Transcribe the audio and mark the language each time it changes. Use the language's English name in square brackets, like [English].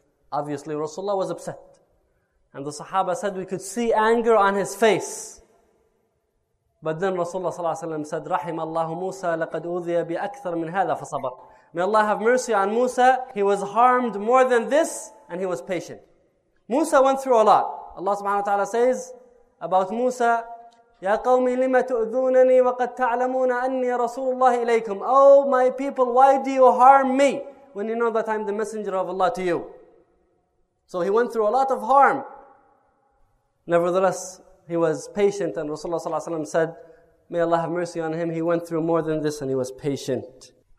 [English] Obviously, Rasulullah was upset. And the Sahaba said, we could see anger on his face. But then Rasulullah sallallahu alayhi wa sallam said, [Arabic] رحم الله موسى لقد أوذي بأكثر من هذا فصبر. [English] May Allah have mercy on Musa. He was harmed more than this and he was patient. Musa went through a lot. Allah subhanahu wa ta'ala says about Musa, [Arabic] يا قومي لما تؤذونني وقد تعلمون أني رسول الله إليكم. [English] Oh my people, why do you harm me when you know that I'm the messenger of Allah to you? So he went through a lot of harm. Nevertheless, he was patient, and Rasulullah ﷺ said, may Allah have mercy on him. He went through more than this and he was patient.